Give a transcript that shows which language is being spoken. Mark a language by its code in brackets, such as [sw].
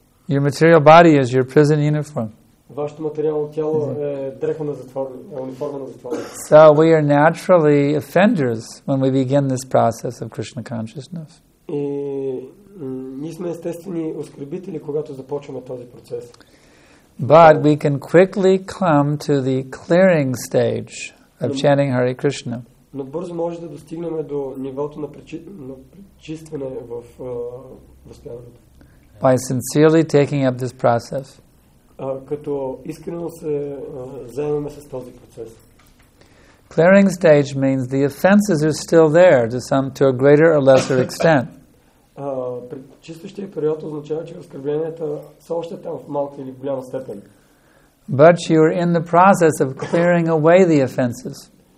[en] Your material body is your prison uniform. [bg] Вашето материално тяло е дреха на затворник, е униформа на затворник. [en] So we are naturally offenders when we begin this process of Krishna consciousness. [bg] И ние сме естествени оскърбители, когато започваме този процес. [en] But we can quickly come to the clearing stage of chanting Hare Krishna. [bg] Но бързо може да достигнем до нивото на пречистване в възпяването. [en] By sincerely taking up this process. [bg] Като искрено се заемаме с този процес. [en] Clearing stage means the offenses are still there to some to a greater or lesser extent. [bg] Чистващия период означава, че оскърбленията са още там в малка или голяма степен. [en] But you are in the process of clearing away the offenses.